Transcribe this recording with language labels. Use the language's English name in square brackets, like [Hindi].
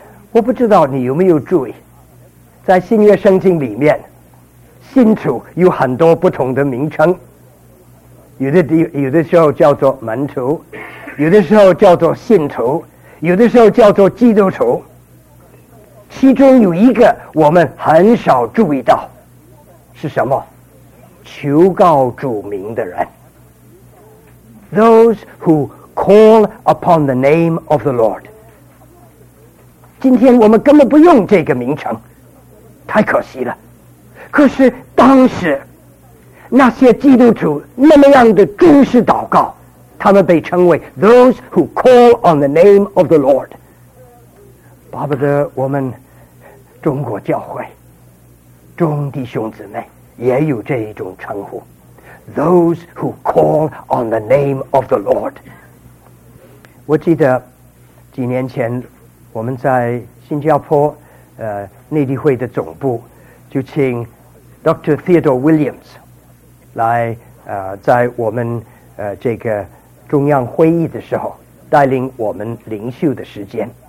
[Chinese] 我不知道你有没有注意，在新约圣经里面，信徒有很多不同的名称，有的时候叫做门徒，有的时候叫做信徒，有的时候叫做基督徒。其中有一个我们很少注意到，是什么？求告主名的人。 [English] Those who call upon the name of the Lord. [Chinese] 今天我们根本不用这个名称，太可惜了。可是当时那些基督徒那么样的忠实祷告，他们被称为 [English] Those who call on the name of the Lord. [Chinese] 巴不得我们中国教会中弟兄姊妹也有这一种称呼， [English] Those who call on the name of the Lord. [Chinese] 我记得几年前我们在新加坡内地会的总部就请 Dr. Theodore Williams 来在我们这个中央会议的时候带领我们领袖的时间。